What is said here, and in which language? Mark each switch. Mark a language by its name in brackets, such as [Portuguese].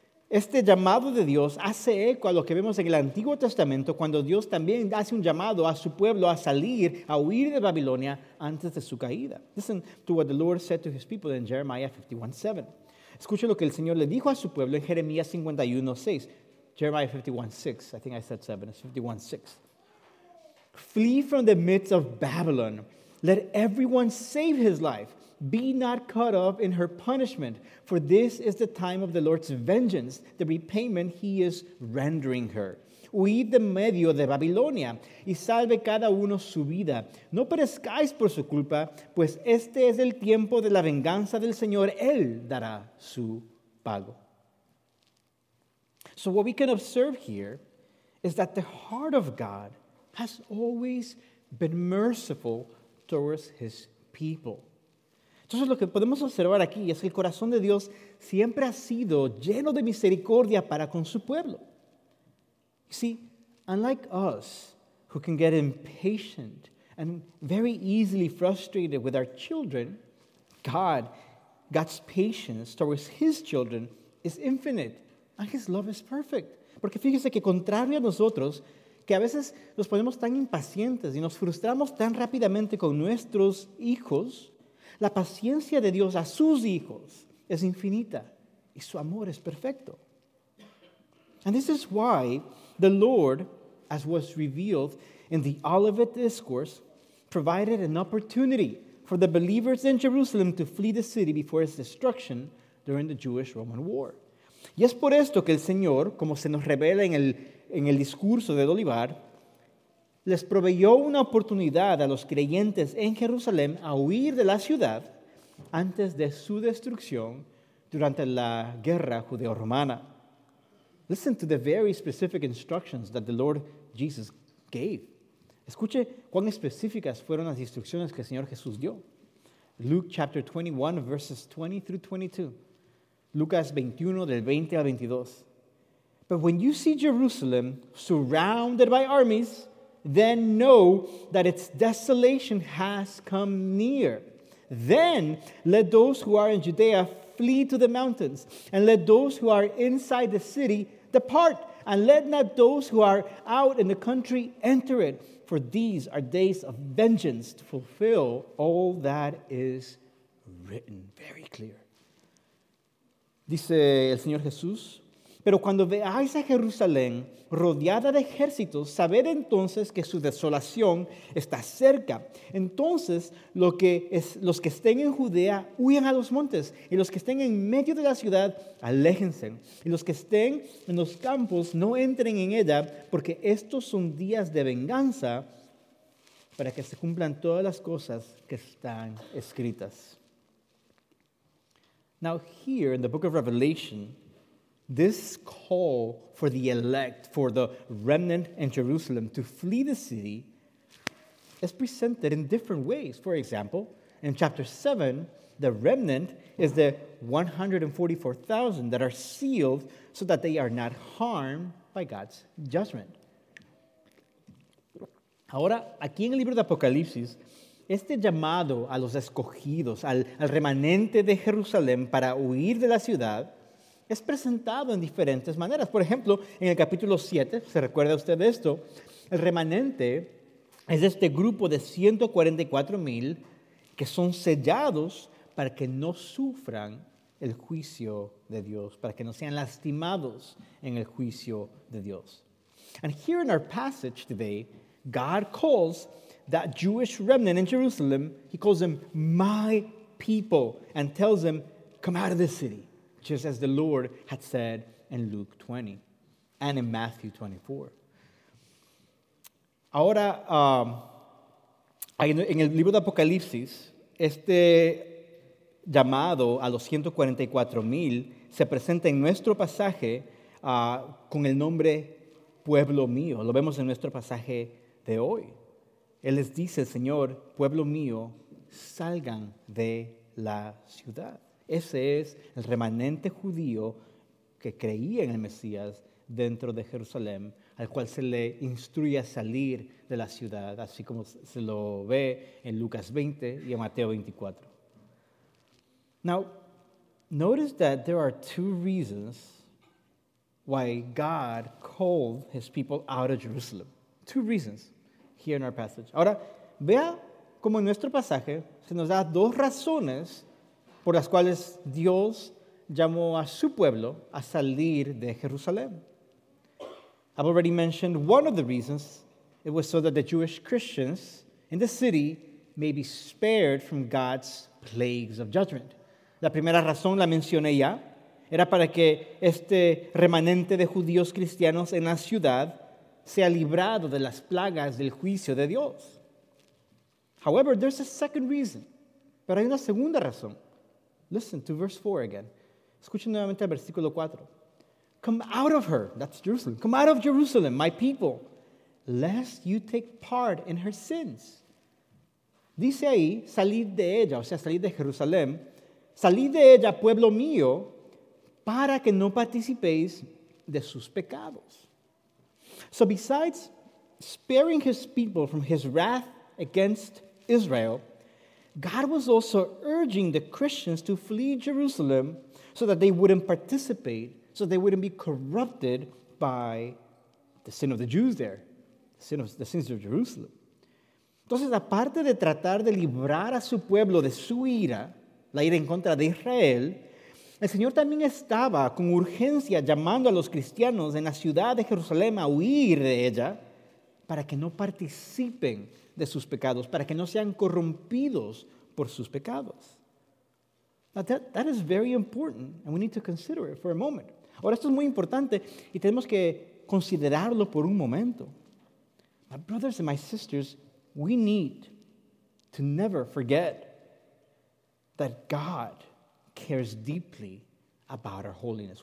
[Spanish] Este llamado de Dios hace eco a lo que vemos en el Antiguo Testamento cuando Dios también hace un llamado a su pueblo a salir, a huir de Babilonia antes de su caída. [English] Listen to what the Lord said to his people in Jeremiah 51:7. [Spanish] Escuche lo que el Señor le dijo a su pueblo en Jeremías 51:6. [English] Jeremiah 51:6. I think I said 7. It's 51:6. "Flee from the midst of Babylon. Let everyone save his life. Be not cut off in her punishment, for this is the time of the Lord's vengeance, the repayment he is rendering her. [Spanish] Huid de medio de Babilonia, y salve cada uno su vida. No perezcáis por su culpa, pues este es el tiempo de la venganza del Señor. Él dará su pago." [English] So what we can observe here is that the heart of God has always been merciful towards his people. [Spanish] Entonces, lo que podemos observar aquí es que el corazón de Dios siempre ha sido lleno de misericordia para con su pueblo. [English] You see, unlike us, who can get impatient and very easily frustrated with our children, God's patience towards his children is infinite, and his love is perfect. [Spanish] Porque fíjese que contrario a nosotros, que a veces nos ponemos tan impacientes y nos frustramos tan rápidamente con nuestros hijos, la paciencia de Dios a sus hijos es infinita y su amor es perfecto. [English] And this is why the Lord, as was revealed in the Olivet Discourse, provided an opportunity for the believers in Jerusalem to flee the city before its destruction during the Jewish-Roman War. [Spanish] Y es por esto que el Señor, como se nos revela en el discurso de Olivar, les proveyó una oportunidad a los creyentes en Jerusalén a huir de la ciudad antes de su destrucción durante la guerra judeo-romana. [English] Listen to the very specific instructions that the Lord Jesus gave. [Spanish] Escuche cuán específicas fueron las instrucciones que el Señor Jesús dio. [English] Luke chapter 21, verses 20 through 22. [Spanish] Lucas 21, del 20 al 22. [English] But when you see Jerusalem surrounded by armies, then know that its desolation has come near. Then let those who are in Judea flee to the mountains, and let those who are inside the city depart, and let not those who are out in the country enter it, for these are days of vengeance to fulfill all that is written. Very clear. [Spanish] Dice el Señor Jesús, pero cuando veáis a Jerusalén rodeada de ejércitos, sabed entonces que su desolación está cerca. Entonces, los que estén en Judea, huyan a los montes, y los que estén en medio de la ciudad, aléjense. Y los que estén en los campos, no entren en ella, porque estos son días de venganza para que se cumplan todas las cosas que están escritas. [English] Now, here in the book of Revelation, this call for the elect, for the remnant in Jerusalem to flee the city is presented in different ways. For example, in chapter 7, the remnant is the 144,000 that are sealed so that they are not harmed by God's judgment. [Spanish] Ahora, aquí en el libro de Apocalipsis, este llamado a los escogidos, al remanente de Jerusalén para huir de la ciudad, es presentado en diferentes maneras. Por ejemplo, en el capítulo 7, ¿se recuerda usted de esto? El remanente es este grupo de 144,000 que son sellados para que no sufran el juicio de Dios, para que no sean lastimados en el juicio de Dios. [English] And here in our passage today, God calls that Jewish remnant in Jerusalem, he calls them my people and tells them, come out of the city. Just as the Lord had said in Luke 20 and in Matthew 24. [Spanish] Ahora, en el libro de Apocalipsis, este llamado a los 144,000 se presenta en nuestro pasaje con el nombre Pueblo Mío. Lo vemos en nuestro pasaje de hoy. Él les dice, Señor, Pueblo Mío, salgan de la ciudad. Ese es el remanente judío que creía en el Mesías dentro de Jerusalén, al cual se le instruye a salir de la ciudad, así como se lo ve en Lucas 20 y en Mateo 24. [English] Now, notice that there are two reasons why God called his people out of Jerusalem. Two reasons here in our passage. [Spanish] Ahora, vea cómo en nuestro pasaje se nos da dos razones por las cuales Dios llamó a su pueblo a salir de Jerusalén. [English] I've already mentioned one of the reasons. It was so that the Jewish Christians in the city may be spared from God's plagues of judgment. [Spanish] La primera razón la mencioné ya. Era para que este remanente de judíos cristianos en la ciudad sea librado de las plagas del juicio de Dios. [English] However, there's a second reason. [Spanish] Pero hay una segunda razón. [English] Listen to verse 4 again. [Spanish] Escuchen nuevamente el versículo 4. [English] Come out of her, that's Jerusalem. Come out of Jerusalem, my people, lest you take part in her sins. [Spanish] Dice ahí, salid de ella, o sea, salid de Jerusalén. Salid de ella, pueblo mío, para que no participéis de sus pecados. [English] So besides sparing his people from his wrath against Israel, God was also urging the Christians to flee Jerusalem so that they wouldn't participate, so they wouldn't be corrupted by the sin of the Jews there, the sins of Jerusalem. [Spanish] Entonces, aparte de tratar de librar a su pueblo de su ira, la ira en contra de Israel, el Señor también estaba con urgencia llamando a los cristianos en la ciudad de Jerusalén a huir de ella para que no participen de sus pecados, para que no sean corrompidos por sus pecados. [English] That is very important, and we need to consider it for a moment. [Spanish] Ahora, esto es muy importante y tenemos que considerarlo por un momento. [English] My brothers and my sisters, we need to never forget that God cares deeply about our holiness.